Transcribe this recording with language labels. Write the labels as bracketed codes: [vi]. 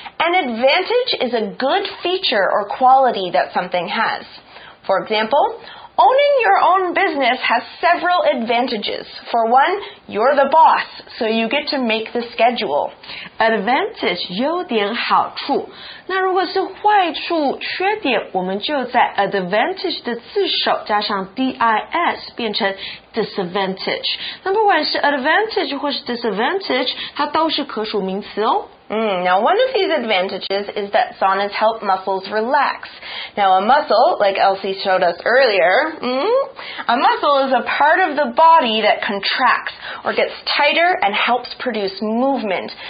[en] An advantage is a good feature or quality that something has. For example, owning your own business has several advantages. For one, you're the boss, so you get to make the schedule. [zh] Advantage 优点好处。那如果是坏处缺点，我们就在 advantage 的字首加上 dis 变成 disadvantage。那不管是 advantage 或是 disadvantage， 它都是可数名词哦。 [en] Now, one of these advantages is that saunas help muscles relax. Now, a muscle, like Elsie showed us earlier, a muscle is a part of the body that contracts or gets tighter and helps produce movement.